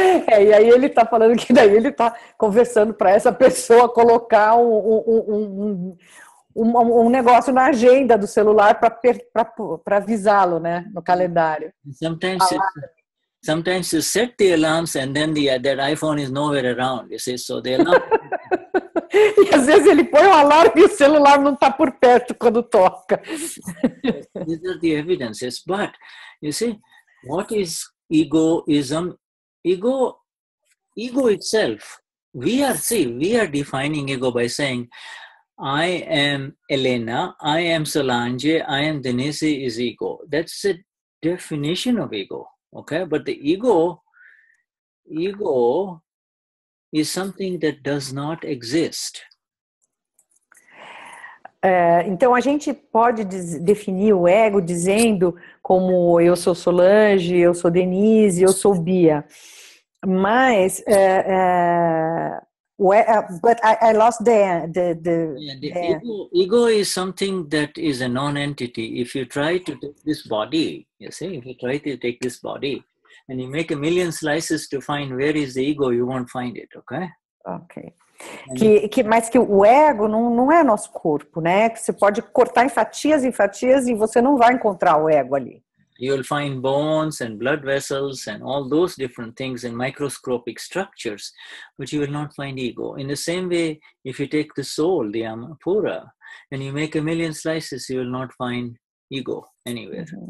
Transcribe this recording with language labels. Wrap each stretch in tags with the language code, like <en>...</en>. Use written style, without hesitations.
<pt>É, e aí ele está falando que daí ele está conversando para essa pessoa colocar um negócio na agenda do celular para avisá-lo, né, no calendário.</pt> <en>Sometimes you set the alarms and then that iPhone is nowhere around. You see, so the alarm.</en> <pt>E às vezes ele põe o alarme e o celular não está por perto quando toca.</pt> <en>These are the evidences, but you see, what is egoism? Ego itself. We are defining ego by saying, I am Elena, I am Solange, I am Denise is ego. That's a definition of ego. Okay, but the ego is something that does not exist.</en> <pt>Então a gente pode definir o ego dizendo como eu sou Solange, eu sou Denise, eu sou Bia. Mas</pt> <en>I lost the ego. Ego is something that is a non-entity. If you try to take this body, you see, if you try to take this body and you make a million slices to find where is the ego, you won't find it, okay? Okay.</en> <pt>Mas que o ego não é nosso corpo, né? Que você pode cortar em fatias e fatias e você não vai encontrar o ego ali.</pt> <en>You'll find bones and blood vessels and all those different things in microscopic structures, but you will not find ego. In the same way, if you take the soul, the Amapura, and you make a million slices, you will not find ego anywhere.</en>